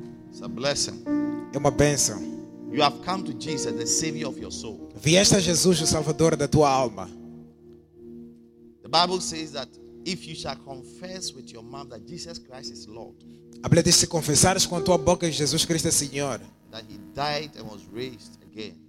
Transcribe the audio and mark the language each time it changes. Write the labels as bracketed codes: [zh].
[en] It's a blessing. [pt] É uma bênção. [en] You have come to Jesus, the savior of your soul. [pt] Vieste a Jesus, o salvador da tua alma. [en] The Bible says that if you shall confess with your mouth that Jesus Christ is Lord. [pt] A Bíblia diz se confessares com a tua boca que Jesus Cristo é Senhor. [en] That he died and was raised again.